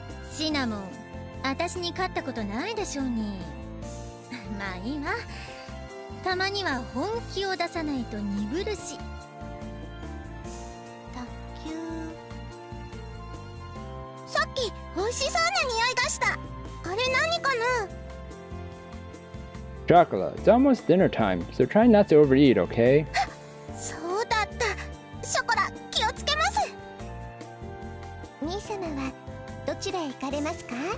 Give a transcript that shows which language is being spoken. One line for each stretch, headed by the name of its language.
Japanese: シナモン、私に勝ったことないでしょうに。まあいいわ、たまには本気を出さないと鈍るし。卓球、さっき美味しそうな匂いがした。あれ何かな？
English: Chocola, it's almost dinner time, so try not to overeat, okay?
Japanese: そうだった。ショコラ、気をつけます。兄様はどちらへ行かれますか？